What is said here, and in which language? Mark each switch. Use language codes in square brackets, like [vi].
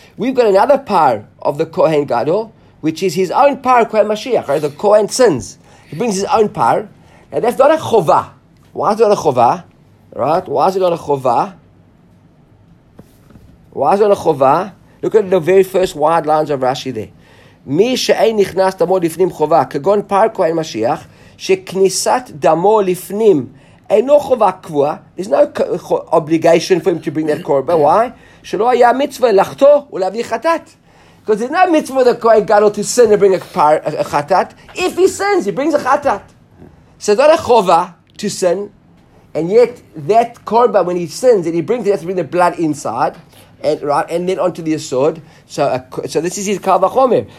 [en] We've got another par of the Kohen Gadol, which is his own par, Kohen Mashiach, right? The Kohen sins. He brings his own par. And that's not a chova. Why is it not a chova? Right? Why is it not a chova? Why is it not a chova? Look at the very first wide lines of Rashi there. [he] מי שאין נכנס דמו לפנים חובה, כגון פרקו אין משיח, שכניסת דמו לפנים אינו חובה קבועה, [en] there's no obligation for him to bring that korban. Why? [he] שלא היה מצווה לחטוא ולהביא חטאת. [en] Because there's no mitzvah that Kohen Gadol to sin and bring a chatat. If he sins, he brings a chatat. So it's not a chova to sin. And yet that korban, when he sins, and he brings it, he has to bring the blood inside. And, right, and then onto the yesod. So this is his kal vachomer.